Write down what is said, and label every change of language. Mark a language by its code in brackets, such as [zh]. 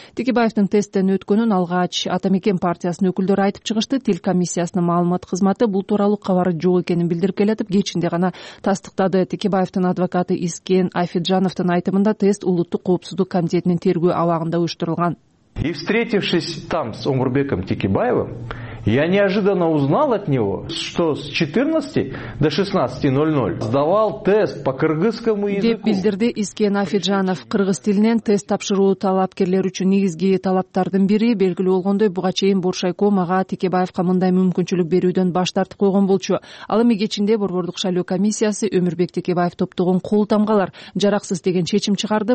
[ky] Текебаевдин тесттен өткөнүн алгач Атамекен партиясынын өкүлдөрү айтып чыгышты. Тил комиссиясынын маалымат кызматы бул тууралуу кабары жок экенин билдирип келатып, кечинде гана тастыктады. Текебаевдин адвокаты Искен Айфиджановдун айтымында тест улуттук коопсуздук комитетинин тергөө абагында уюштурулган. [ru] И встретившись там с Омурбеком Текебаевым, я неожиданно узнал от него, что с 14 до 16.00 сдавал тест по кыргызскому языку. [ky] Деп билдирди Искен Афиджанов. Кыргыз тилинен тест тапшыруу талапкерлер үчүн негизги талаптардын бири. Белгилүү болгондой, буга чейин Боршайко мага Текебаевка мындай мүмкүнчүлүк берүүдөн баш тартып койгон болчу. Ал эми кечинде борбордук шайлоо комиссиясы Өмүрбек Текебаев топтогон кол тамгалар жараксыз деген чечим чыгарды.